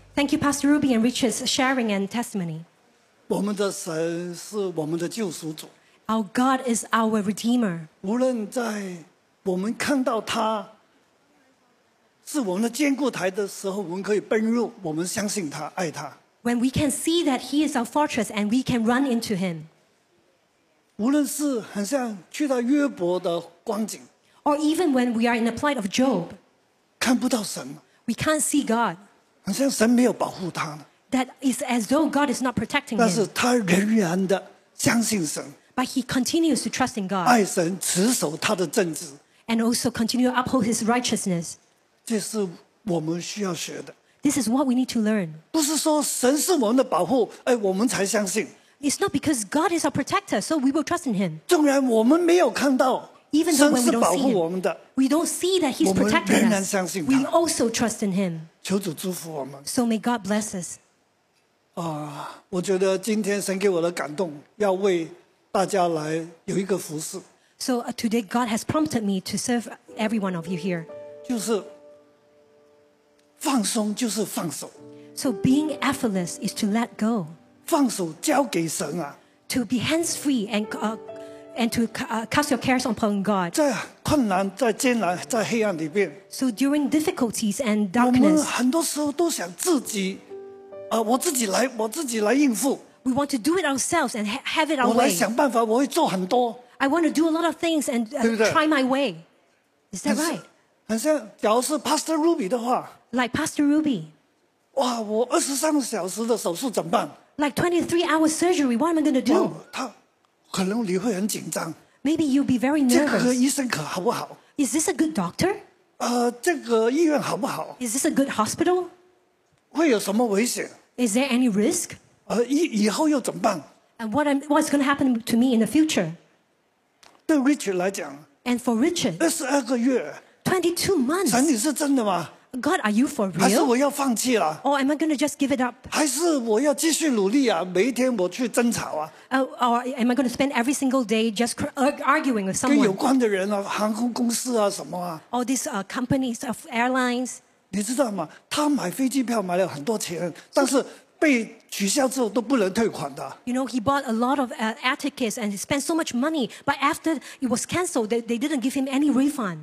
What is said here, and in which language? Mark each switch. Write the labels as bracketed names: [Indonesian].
[English] Thank you, Pastor Ruby and Richard's sharing and testimony。 [Chinese] 我们的神是我们的救赎主。 [English] Our God is our Redeemer. [Chinese] 无论在我们看到他是我们的坚固台的时候，我们可以奔入，我们相信他，爱他。 [English] When we can see that He is our fortress and we can run into Him. [Chinese] 无论是很像去到约伯的光景 [English] ，or even when we are in the plight of Job, [Chinese] 看不到神 [English] ，we can't see God. [Chinese] 很像神没有保护他 [English] That is as though God is not protecting him. [Chinese] 但是他仍然的相信神。 [English] But he continues to trust in God. [Chinese] 爱神持守他的正直 [English] And also continue to uphold his righteousness. [Chinese] 这是我们需要学的 [English] This is what we need to learn. [Chinese] 不是说神是我们的保护，哎，我们才相信 [English] It's not because God is our protector, so we will trust in him. [Chinese] 纵然我们没有看到 [English] Even though [Chinese] 神是保护我们的 [English] We don't see that he's protecting us. [Chinese] 我们仍然相信他 [English] We also trust in him. [Chinese] 求主祝福我们 [English] So may God bless us. [Chinese] 我觉得今天神给我的感动要为大家来有一个服事。 [English] So today God has prompted me to serve every one of you here. [Chinese] 就是放松就是放手。 [English] So being effortless is to let go. [Chinese] 放手交给神啊。 [English] To be hands free and to cast your cares upon God. [Chinese] 在困难在艰难在黑暗里面。 [English] So during difficulties and darkness. [Chinese] 我们很多时候都想自己我自己来应付。 [English] We want to do it ourselves and have it our way. [Chinese] 我来想办法，我会做很多。 [English] I want to do a lot of things and [Chinese] 对不对 [English] try my way. Is that right? [Chinese] 很像，假如是 Pastor Ruby 的话 [English] ，Like Pastor Ruby. [Chinese] 哇，我23小时的手术怎么办 [English] ？Like 23-hour surgery, what am I going to do? [Chinese] 他可能你会很紧张。 [English] Maybe you'll be very nervous. [Chinese] 这个医生可好不好 [English] ？Is this a good doctor? [Chinese] 这个医院好不好 [English] ？Is this a good hospital? [Chinese] 会有什么危险 [English] ？Is there any risk? [Chinese] 以后又怎么办？ [English] And what's going to happen to me in the future? [Chinese] 对 Richard 来讲， [English] And for Richard, [Chinese] 22个月， [English] 22 months, [Chinese] 神你是真的吗？ [English] God, are you for real? [Chinese] 还是我要放弃了？ [English] Or am I going to just give it up? [Chinese] 还是我要继续努力啊？每一天我去争吵啊？ [English] Or am I going to spend every single day just arguing with someone? [Chinese] 跟有关的人啊，航空公司啊，什么啊？ [English] All these companies of airlines. [Chinese] 你知道吗？他买飞机票买了很多钱，但是被取消之后都不能退款的。 [English] You know, he bought a lot of air tickets and he spent so much money, but after it was canceled, they didn't give him any refund.